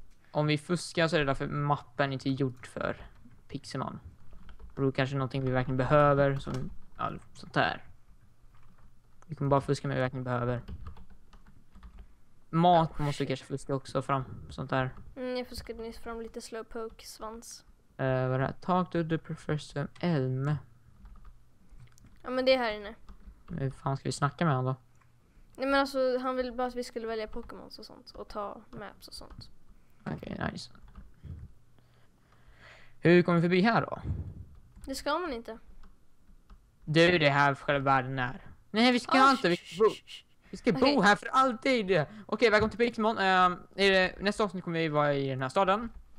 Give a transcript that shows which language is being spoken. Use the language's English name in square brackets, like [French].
[Swedish] Om vi fuskar så är det därför mappen inte är gjord för Pixelmon. Och då kanske någonting vi verkligen behöver, som allt sånt här. Vi kommer bara fuska med vi verkligen behöver. Mat måste vi kanske fuska också fram, sånt där. Jag fuskade nyss fram lite slowpoke svans. Vad är det här? [English] Talk to the professor Elm. [Swedish] Ja, men det är här inne. Hur fan ska vi snacka med honom då? Nej, men alltså, han vill bara att vi skulle välja Pokémons och sånt. Och ta maps och sånt. Okej, okay, nice. Hur kommer vi förbi här då? Det ska man inte. Du, det här själva världen är. Nej, vi ska inte. Vi ska bo här för alltid. Okej, välkommen till Pixelmon. Nästa avsnitt kommer vi vara i den här staden.